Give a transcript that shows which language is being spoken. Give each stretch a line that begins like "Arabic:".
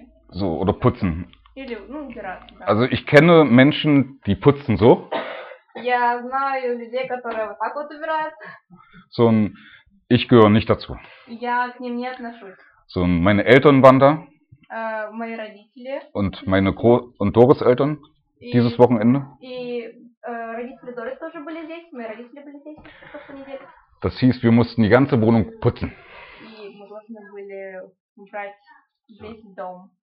German: So, oder putzen. Also ich kenne Menschen, die putzen so.
Russian: Я знаю людей, которые вот так вот убирают.
German: So, ich gehöre nicht dazu.
Russian: Я к ним не отношусь.
German: So, meine Eltern waren da.
Russian: Мои родители.
German: Und meine und Doris Eltern dieses Wochenende.
Russian: И родители Дорис тоже были здесь, мои родители были здесь эту неделю.
German: Das hieß, wir mussten die ganze Wohnung putzen.
Russian: И мы должны были убрать весь дом.